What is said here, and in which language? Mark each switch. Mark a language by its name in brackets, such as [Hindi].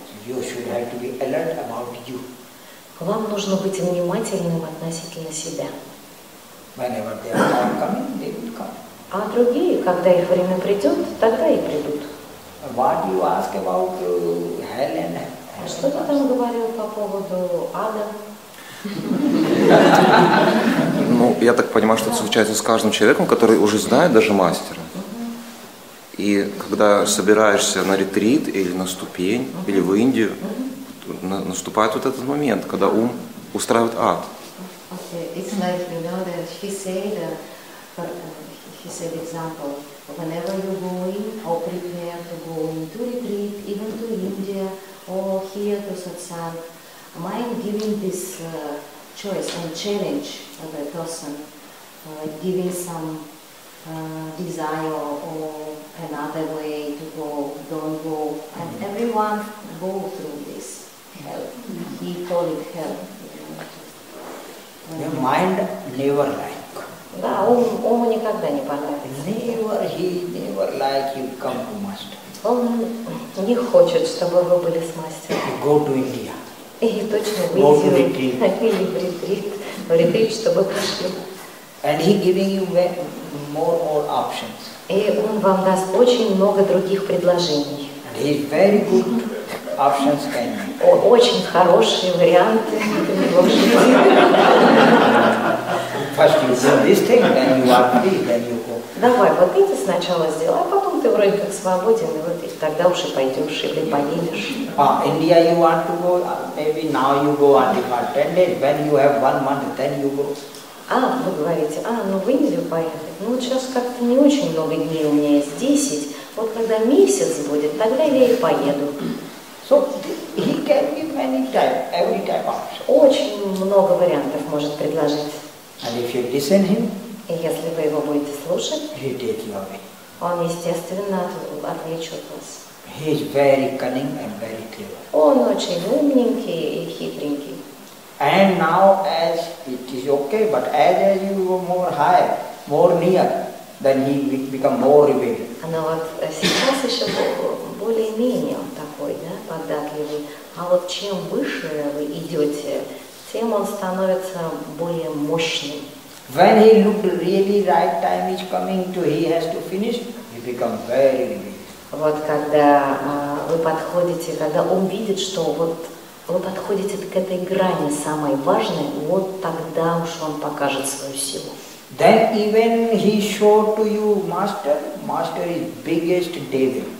[English] You should have to be alert about you. [Russian] Вам нужно быть внимательным относительно себя. [English] Whenever they are coming, they will come. [Russian] А другие, когда их время придет, тогда и придут. [English] What you ask about hell and hell? [Russian] Что ты там говорил по поводу ада? Ну, я так понимаю, что это случается с каждым человеком, который уже знает даже мастера. И когда собираешься на ретрит или на ступень, или в Индию, наступает вот этот момент, когда ум устраивает ад. [English] Okay, it's like, you know, that he said, example, whenever you go in or prepare to go into retreat, even to India, here to satsang, mind giving this choice and challenge of a person, giving some desire or another way to go, don't go. And everyone go through this hell. He call it hell. The mind never like. [Russian] Да, ему никогда не понравится. [English] Never, he never like you come to master. [Russian] Он не хочет, чтобы вы были с мастером. [English] Go to India. [Russian] И точно видели ретрит. Ретрит, чтобы пришли. [English] And he giving you more or options. [Russian] И он вам даст очень много других предложений. [English] And he very good options can be. [Russian] Очень хорошие варианты. [English] First you do this thing, then you are free, then you go. [Russian] Давай, вот эти сначала сделай, а потом ты вроде как свободен, и вот и тогда уже пойдешь или поедешь. [English] А, India you want to go, maybe now you go on department, when you have 1 month, then you go. [Russian] А, вы говорите, а, ну в Индию поехать. Ну вот сейчас как-то не очень много дней, у меня есть 10. Вот когда месяц будет, тогда я и поеду. [English] So he can give many type, every type option. [Russian] Очень много вариантов может предложить. [English] And if you listen him, [Russian] и если вы его будете слушать, [English] he take you away. [Russian] Он, естественно, отвлечет вас. [English] He is very cunning and very clever. [Russian] Он очень умненький и хитренький. [English] And now, as it is okay, but as you go more higher, more near, then he become more rebellious. [Russian] Но вот сейчас еще более-менее он такой, да, податливый. А вот чем выше вы идете, тем он становится более мощным. [English] When he look really right time is coming to, he has to finish, he become very rebellious. [Russian] Вот когда вы подходите, когда он видит, что вот вы подходите к этой грани самой важной, вот тогда уж он покажет свою силу. [English] Then even he show to you master, master is biggest devil.